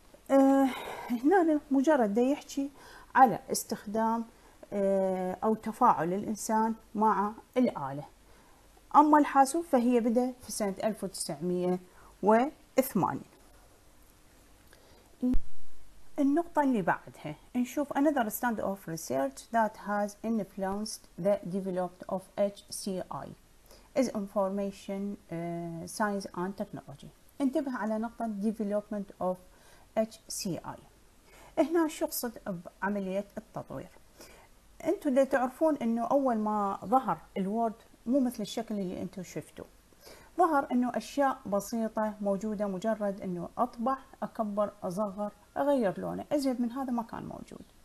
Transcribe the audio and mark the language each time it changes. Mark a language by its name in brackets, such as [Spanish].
[Arabic] هنا مجرد يحكي على استخدام أو تفاعل الإنسان مع الآلة، أما الحاسوب فهي بدأ في سنة 1908. النقطة اللي بعدها نشوف [English] another stand of research that has influenced the development of HCI is information science and technology. [Arabic] انتبه على نقطة [English] development of HCI. [Arabic] هنا شو قصد بعملية التطوير؟ انتوا اللي تعرفون انه اول ما ظهر الوورد مو مثل الشكل اللي انتوا شفتوه، ظهر انه اشياء بسيطة موجودة، مجرد انه اطبع اكبر اصغر اغير لونه ازيد من هذا ما كان موجود.